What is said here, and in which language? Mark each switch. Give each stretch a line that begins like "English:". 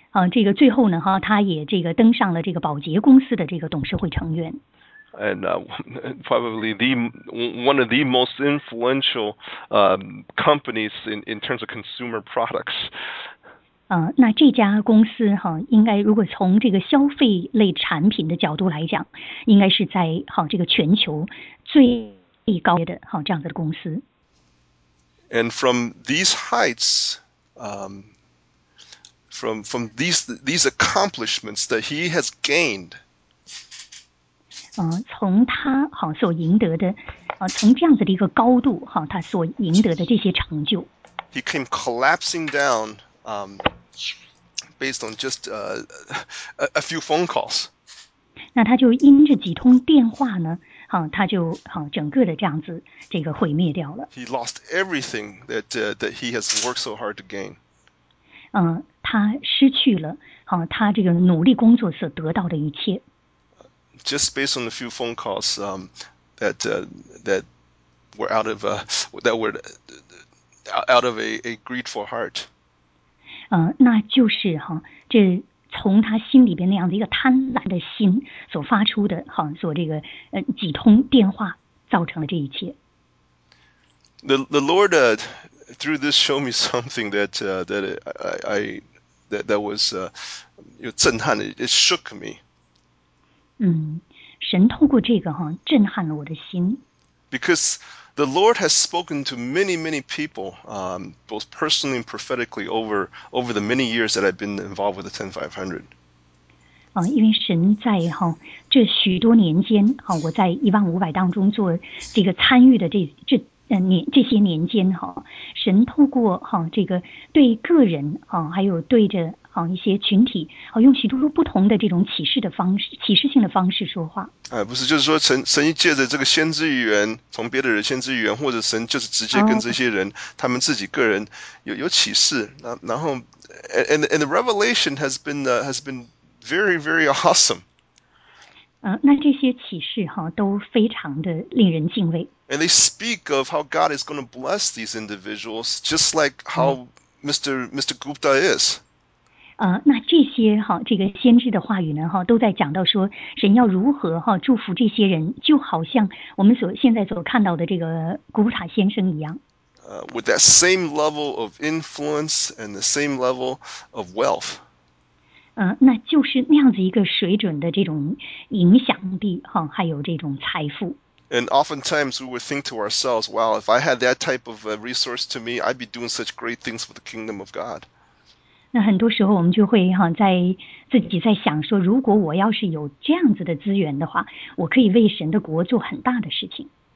Chinese: 这个最后呢哈，他也这个登上了这个宝洁公司的这个董事会成员。
English: And probably the one of the most influential companies in terms of consumer products.
Chinese: 那这家公司哈，应该如果从这个消费类产品的角度来讲，应该是在哈这个全球最高的哈这样子的公司。
English: And from these heights, from these accomplishments that he has gained.
Chinese: 从他哈所赢得的，从这样子的一个高度哈，他所赢得的这些成就。
English: He came collapsing down, based on just a few phone calls.
Chinese: 那他就因着几通电话呢？他就整个的这样子这个毁灭掉了。
English: He lost everything that he has worked so hard to gain.
Chinese: 他失去了他这个努力工作所得到的一切。
English: Just based on a few phone calls that were out of a grateful heart.
Chinese: 那就是这从他心里边那样的一个贪婪的心所发出的所这个几通电话造成了这一切。
English: The Lord through this showed me something that was
Chinese: 震撼的
English: ，it shook me。
Chinese: 神透过这个震撼了我的心。
English: Because the Lord has spoken to many many people, both personally and prophetically over the many years that I've been involved with the 10500.
Chinese: 因为神在这许多年间我在1500当中做这个参与的这些年间神透过这个对个人还有对着一些群体用许多不同的这种启示的方式启示性的方式说话。不是就是说神借着这个先知预言从别的人先知预言或者神就是直接跟这些人他们自己个人有启示。然后
English: and the revelation has been very, very awesome.
Chinese: 那这些启示都非常的令人敬畏。
English: And they speak of how God is going to bless these individuals, just like how Mr. Gupta is.
Chinese: 那这些这个先知的话语呢都在讲到说神要如何祝福这些人，就好像我们现在所看到的这个古普塔先生一样。
English: With that same level of influence and the same level of wealth.
Chinese: 那就是那样子一个水准的这种影响力还有这种财富。
English: And oftentimes we would think to ourselves, wow, if I had that type of resource to me, I'd be doing such great things for the kingdom of God.
Chinese: 那很多时候我们就会在自己在想说，如果我要是有这样子的资源的话，我可以为神的国做很大的事情。